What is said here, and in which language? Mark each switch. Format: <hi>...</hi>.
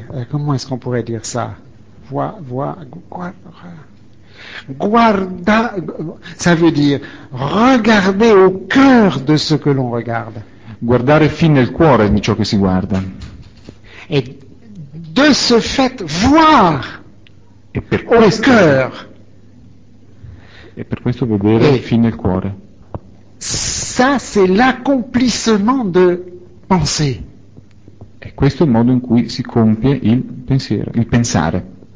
<fr>Comment est-ce qu'on pourrait dire ça? Ça veut dire regarder au cœur de ce que l'on regarde.</fr> <it>Guardare fin nel cuore di ciò che si guarda.</it> <fr>E de ce fait voir au cœur.</fr> <it>E per questo vedere fin nel cuore.</it> <fr>Ça c'est l'accomplissement de penser.</fr> <it>E questo è il modo in cui si compie il pensiero, il pensare.</it>